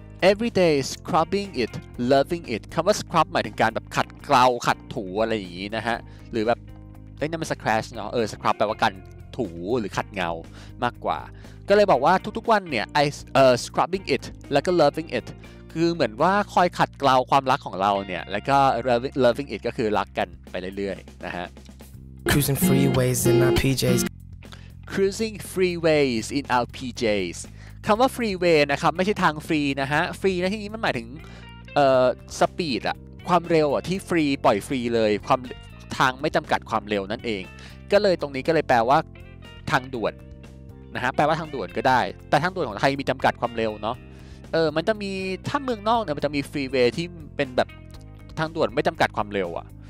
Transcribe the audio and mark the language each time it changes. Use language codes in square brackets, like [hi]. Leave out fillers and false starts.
[en] Everyday scrubbing it loving it [th] คำว่า scrub หมายถึงการแบบขัดเกลาขัดถูอะไรอย่างงี้นะฮะหรือแบบเอ้ยนั่นมัน scratch เนาะscrub แปลว่ากันถูหรือขัดเงามากกว่าก็เลยบอกว่าทุกๆวันเนี่ย [en] scrubbing it [th] แล้วก็ [en] loving it [th] คือเหมือนว่าคอยขัดเกลาความรักของเราเนี่ยแล้วก็ loving it ก็คือรักกันไปเรื่อยๆนะฮะ [en] cruising freeways in our PJs cruising freeways in our PJs [th] คำว่า freeway นะครับไม่ใช่ทางฟรีนะฮะฟรีในที่นี้มันหมายถึงสปีดอะความเร็วอะที่ฟรีปล่อยฟรีเลยความทางไม่จำกัดความเร็วนั่นเองก็เลยตรงนี้ก็เลยแปลว่าทางด่วนนะฮะแปลว่าทางด่วนก็ได้แต่ทางด่วนของไทยมีจำกัดความเร็วเนาะมันจะมีถ้าเมืองนอกเนี่ยมันจะมีฟรีเวย์ที่เป็นแบบทางด่วนไม่จำกัดความเร็วอ่ะ